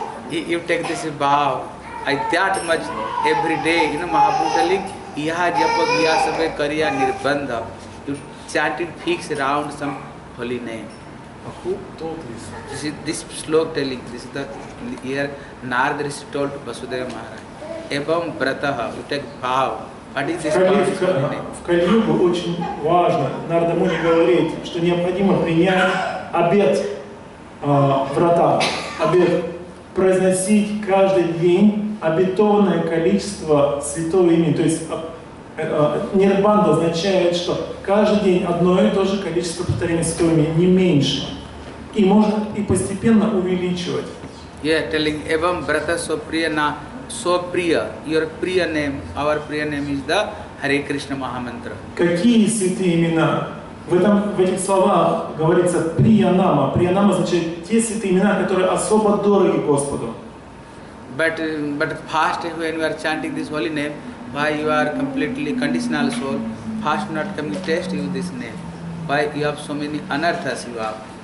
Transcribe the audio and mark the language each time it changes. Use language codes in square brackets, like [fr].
[en] You take this bow, I that much every day, you know, Mahaprabhu telling, [bn] Iha japa gya sabhe kariya nirbandha. [en] You chant it fixed around some holy name. Who told this? This is this slok telling, this is the, here Narada Rishi told to Vasudeva Maharaj. [sa] Ebam brataha, [en] you take bow. What is this bow? [ru] В Кали-Югу очень важно, Нарада Муни говорит, что необходимо принять обет врата, обет. Произносить каждый день обетованное количество святого имени. То есть нирбанда означает, что каждый день одно и то же количество повторений святого имени, не меньше. И можно и постепенно увеличивать. [en] Yeah, telling [sa] evam brata sopriya na sopriya, [en] your priya name, our priya name is the Hare Krishna Mahamantra. [ru] Какие святые имена? В этих словах говорится «прия-нама». «Прия-нама» означает те святые имена, которые особо дороги Господу. [en] But fast when you are chanting this holy name, why you are completely conditional soul, fast not coming to test you this name, why you have so many anarthas you have.